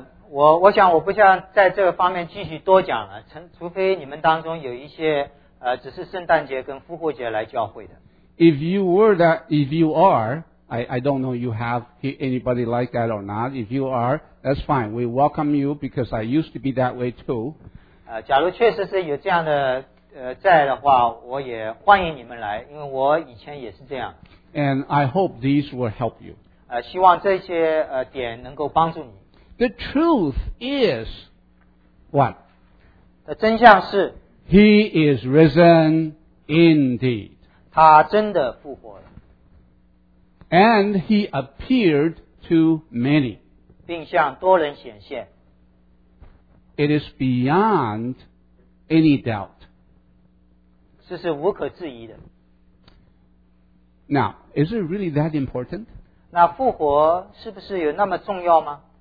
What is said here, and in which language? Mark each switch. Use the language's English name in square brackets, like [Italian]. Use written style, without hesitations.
[Chinese] 我想我不想在这个方面继续多讲了，除非你们当中有一些只是圣诞节跟复活节来教会的。 [English] If you were that, if you are, I don't know you have anybody like that or not. If you are, that's fine. We welcome you because I used to be that way too. [Chinese] 假如确实是有这样的在的话，我也欢迎你们来，因为我以前也是这样。 [English] And I hope these will help you. [Chinese] 希望这些点能够帮助你。 [English] The truth is what? [Chinese] 的真相是。 [English] He is risen indeed. [Chinese] 他真的复活了。 [English] And he appeared to many. [Chinese] 并向多人显现。 [English] It is beyond any doubt. [Chinese] 这是无可置疑的。 [English] Now, is it really that important? [Chinese] 那复活是不是有那么重要吗？